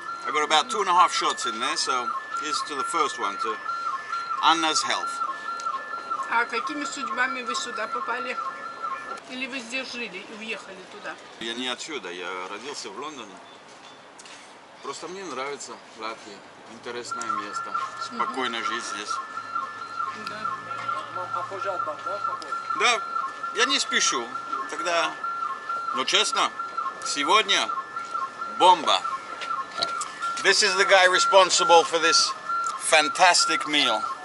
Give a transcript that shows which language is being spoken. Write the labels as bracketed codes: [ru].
[en] I got about 2.5 shots in there, so here's to the first one, to Anna's health. [ru] А какими судьбами вы сюда попали? Или вы здесь жили и уехали туда? Я не отсюда, я родился в Лондоне. Просто мне нравится Латвия. Интересное место. Спокойно жить здесь. Да. Да, я не спешу. Тогда, но честно, сегодня бомба. [en] This is the guy responsible for this fantastic meal.